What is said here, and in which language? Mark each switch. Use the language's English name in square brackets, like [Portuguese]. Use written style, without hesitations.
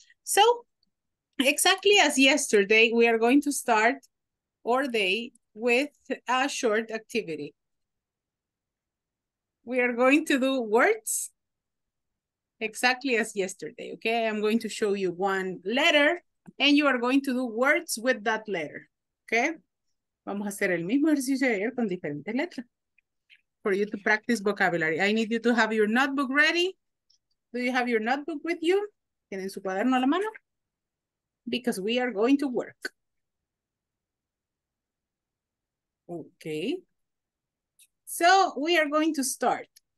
[English] So exactly as yesterday, we are going to start our day with a short activity. We are going to do words exactly as yesterday, okay? I'm going to show you one letter and you are going to do words with that letter, okay? [Spanish] Vamos a hacer el mismo ejercicio de ayer con diferentes letras. [English] For you to practice vocabulary. I need you to have your notebook ready. Do you have your notebook with you? [Spanish] ¿Tienen su cuaderno a la mano? [English] Because we are going to work. Okay. So we are going to start.